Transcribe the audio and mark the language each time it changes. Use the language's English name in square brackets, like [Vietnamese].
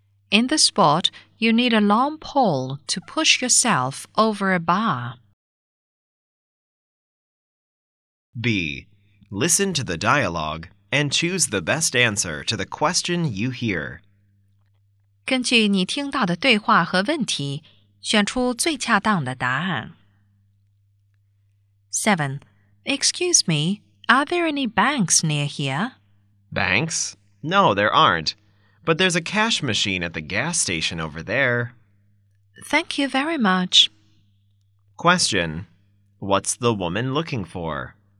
[English] In the sport, you need a long pole to push yourself over a bar. B. Listen to the dialogue and choose the best answer to the question you hear. [Chinese] 根据你听到的对话和问题，选出最恰当的答案。 [English] 7. Excuse me. Are there any banks near here? Banks? No, there aren't. But there's a cash machine at the gas station over there. Thank you very much. Question. What's the woman looking for?